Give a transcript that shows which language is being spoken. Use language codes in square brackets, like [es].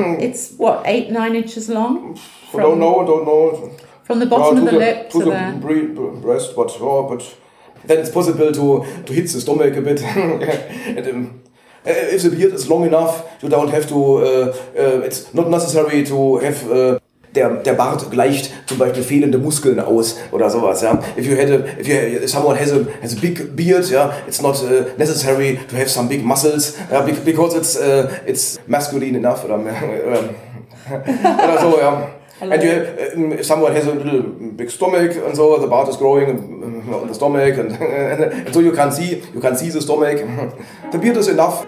[en] It's what, 8-9 inches long? I don't know. From the bottom of the lip to the... breast, but then it's possible to hit the stomach a bit. And, if the beard is long enough, you don't have to... it's not necessary to have... [de] Der Bart gleicht zum Beispiel fehlende Muskeln aus oder sowas. Ja. [en] If someone has a big beard, yeah, it's not necessary to have some big muscles because it's masculine enough [de] oder so. [en] Yeah. And you have, if someone has a little big stomach and so the Bart is growing on the stomach and so you can see the stomach. The beard is enough.